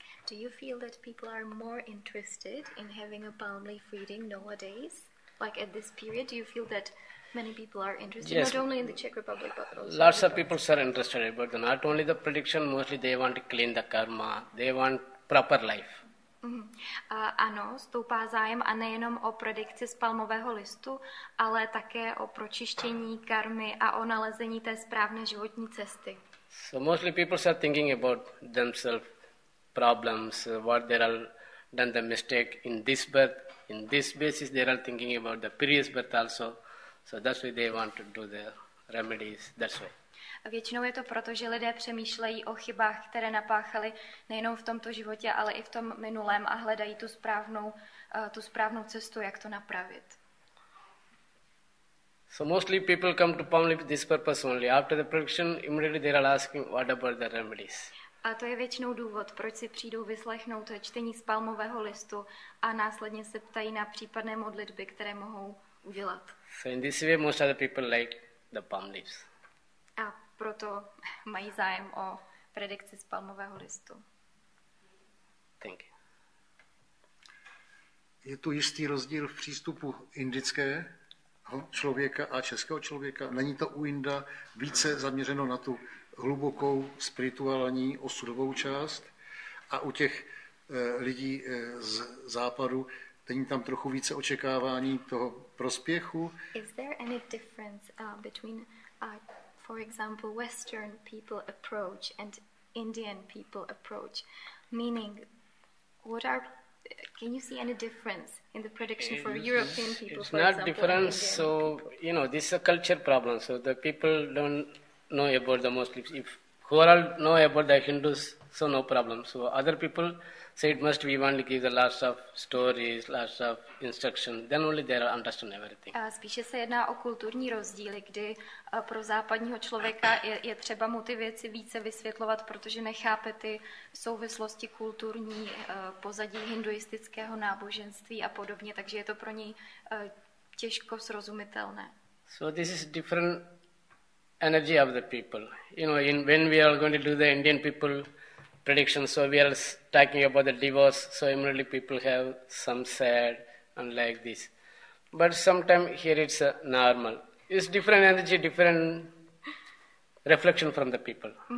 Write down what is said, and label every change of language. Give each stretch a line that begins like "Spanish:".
English: Do you feel that people are more interested in having a palm leaf reading nowadays? Like at this period, do you feel that many people are interested, yes, not only in the Czech Republic, but also lots of people are interested, but not only the prediction, mostly they want to clean the karma, they want proper life. Mm-hmm.
Czech: Ano, stoupá zájem a nejenom o predikci z palmového listu, ale také o pročištění karmy a o nalezení té správné životní cesty.
English: So mostly people are thinking about themselves, problems, what they are done the mistake in this birth, in this basis they are thinking about the previous birth also, so that's why they want to do the remedies, that's why.
Czech: Většinou je to proto, že lidé přemýšlejí o chybách, které napáchali nejenom v tomto životě, ale i v tom minulém a hledají tu správnou cestu, jak to napravit.
English: So mostly people come to Palm Leaf this purpose only. After the production, immediately they are asking what about the remedies.
Czech: A to je většinou důvod, proč si přijdou vyslechnout čtení z palmového listu a následně se ptají na případné modlitby, které mohou udělat.
English: So in this way, most of the people like the palm leaves.
Czech: A proto mají zájem o predikci z palmového listu.
English: Thank you.
Czech: Je tu jistý rozdíl v přístupu indického člověka a českého člověka? Není to u Inda více zaměřeno na tu hlubokou spirituální osudovou část a u těch lidí z západu není tam trochu více očekávání toho prospěchu?
English: Is there any difference between for example western people approach and Indian people approach, meaning what are, can you see any difference in the prediction for European people? It's not different, so you know, this is a culture problem, so the people don't know about the Muslims. If who all know about the Hindus, so no problem. So other people say it must be only give the last of stories, last of instruction, then only they understand everything.
Czech: Spíše se jedná o kulturní rozdíly, kdy pro západního člověka je třeba mu ty věci více vysvětlovat, protože nechápe ty souvislosti kulturní, pozadí hinduistického náboženství a podobně, takže je to pro něj těžko srozumitelné.
English: So this is different energy of the people. You know, when we are going to do the Indian people prediction, so we are talking about the divorce, so immediately people have some sad and like this. But sometimes here it's normal. It's different energy, different reflection from the people.